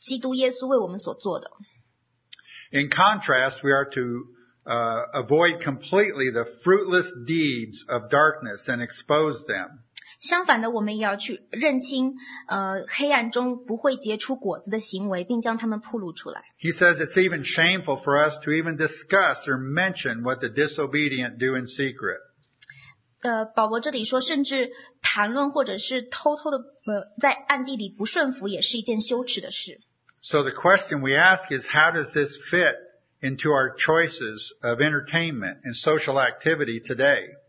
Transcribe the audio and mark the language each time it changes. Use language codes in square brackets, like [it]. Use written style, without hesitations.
[zh] 也能够由此来彰显神和神通过基督耶稣为我们所做的。 [en] In contrast, we are to avoid completely the fruitless deeds of darkness and expose them. [zh] 相反的，我们也要去认清，黑暗中不会结出果子的行为，并将它们暴露出来。 [en] He says it's even shameful for us to even discuss or mention what the disobedient do in secret. [zh] 保罗这里说，甚至谈论或者是偷偷的在暗地里不顺服，也是一件羞耻的事。 [en] So the question we ask is, how does this fit into our choices of entertainment and social activity today?